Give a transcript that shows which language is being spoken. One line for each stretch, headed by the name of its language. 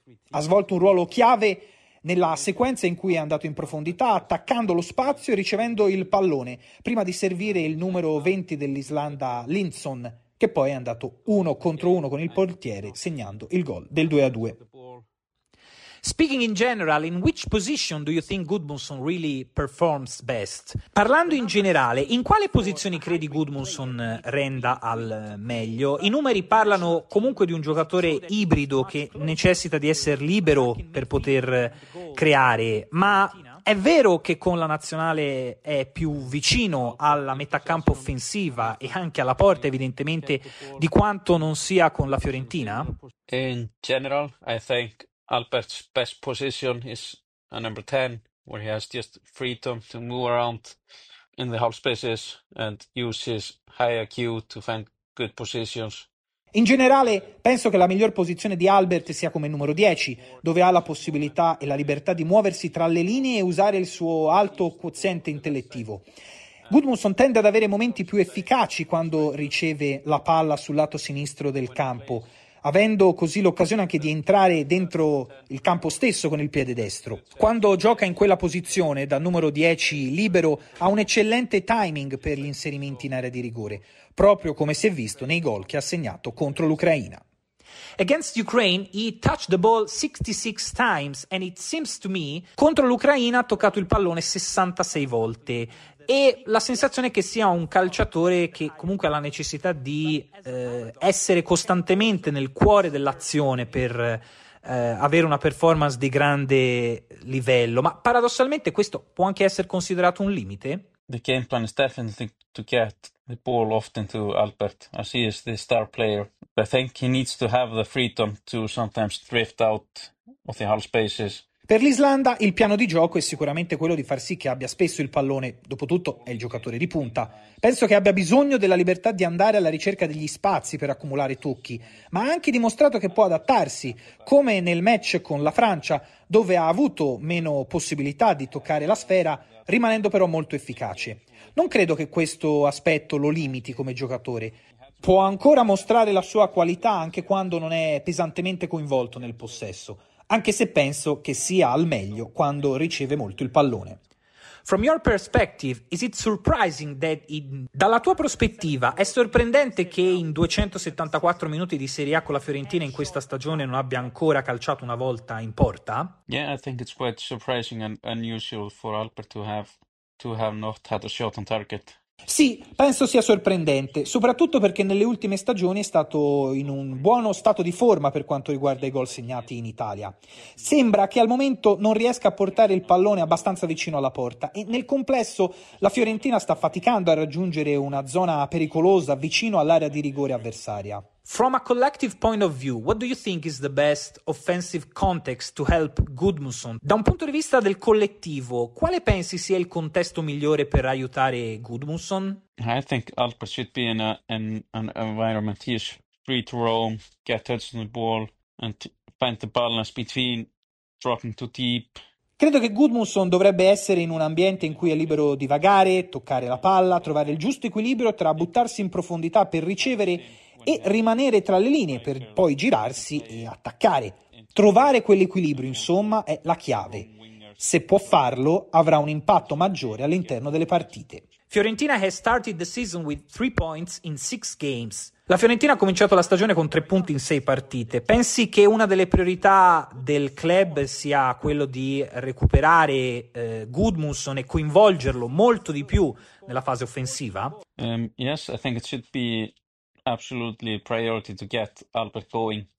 Italian: Ha svolto un ruolo chiave nella sequenza in cui è andato in profondità, attaccando lo spazio e ricevendo il pallone, prima di servire il numero 20 dell'Islanda, Linsson, che poi è andato uno contro uno con il portiere, segnando il gol del 2-2.
English: Speaking in general, in which position do you think Gudmundsson really performs best?
Italian: Parlando in generale, in quale posizione credi Gudmundsson renda al meglio? I numeri parlano comunque di un giocatore ibrido che necessita di essere libero per poter creare, ma è vero che con la nazionale è più vicino alla metà campo offensiva e anche alla porta, evidentemente, di quanto non sia con la Fiorentina?
English: In general, I think Albert's best position is a number 10, where he has just freedom to move around in the whole spaces and use his high IQ to find good positions.
Italian: In generale, penso che la miglior posizione di Albert sia come numero 10, dove ha la possibilità e la libertà di muoversi tra le linee e usare il suo alto quoziente intellettivo. Gudmundsson tende ad avere momenti più efficaci quando riceve la palla sul lato sinistro del campo, avendo così l'occasione anche di entrare dentro il campo stesso con il piede destro. Quando gioca in quella posizione, da numero 10 libero, ha un eccellente timing per gli inserimenti in area di rigore, proprio come si è visto nei gol che ha segnato contro l'Ucraina.
English: Against Ukraine he touched the ball 66 times and it seems to me
Italian: contro l'Ucraina ha toccato il pallone 66 volte e la sensazione è che sia un calciatore che comunque ha la necessità di essere costantemente nel cuore dell'azione per avere una performance di grande livello, ma paradossalmente questo può anche essere considerato un limite.
English: The game plan is definitely to get the ball often to Albert, as he is the star player. I think he needs to have the freedom to sometimes drift out of the hull spaces.
Italian: Per l'Islanda il piano di gioco è sicuramente quello di far sì che abbia spesso il pallone, dopotutto è il giocatore di punta. Penso che abbia bisogno della libertà di andare alla ricerca degli spazi per accumulare tocchi, ma ha anche dimostrato che può adattarsi, come nel match con la Francia, dove ha avuto meno possibilità di toccare la sfera, rimanendo però molto efficace. Non credo che questo aspetto lo limiti come giocatore. Può ancora mostrare la sua qualità anche quando non è pesantemente coinvolto nel possesso. Anche se penso che sia al meglio quando riceve molto il pallone.
English: From your perspective, is it surprising that
Italian: dalla tua prospettiva è sorprendente che in 274 minuti di Serie A con la Fiorentina in questa stagione non abbia ancora calciato una volta in porta?
English: Yeah, I think it's quite surprising and unusual for Albert to have not had a shot on target.
Italian: Sì, penso sia sorprendente, soprattutto perché nelle ultime stagioni è stato in un buono stato di forma per quanto riguarda i gol segnati in Italia. Sembra che al momento non riesca a portare il pallone abbastanza vicino alla porta e nel complesso la Fiorentina sta faticando a raggiungere una zona pericolosa vicino all'area di rigore avversaria.
English: From a collective point of view, what do you think is the best offensive context to help Gudmundsson?
Italian: Da un punto di vista del collettivo, quale pensi sia il contesto migliore per aiutare Gudmundsson?
English: I think Alper should be in an environment he is free to roam, get touch on the ball and find the balance between dropping too deep.
Italian: Credo che Gudmundsson dovrebbe essere in un ambiente in cui è libero di vagare, toccare la palla, trovare il giusto equilibrio tra buttarsi in profondità per ricevere e rimanere tra le linee per poi girarsi e attaccare. Trovare quell'equilibrio, insomma, è la chiave. Se può farlo, avrà un impatto maggiore all'interno delle partite.
English: Fiorentina has started the season with 3 points in 6 games.
Italian: La Fiorentina ha cominciato la stagione con 3 punti in 6 partite. Pensi che una delle priorità del club sia quello di recuperare Gudmundsson e coinvolgerlo molto di più nella fase offensiva?
English: Yes, I think it should be absolutely priority to get Albert going.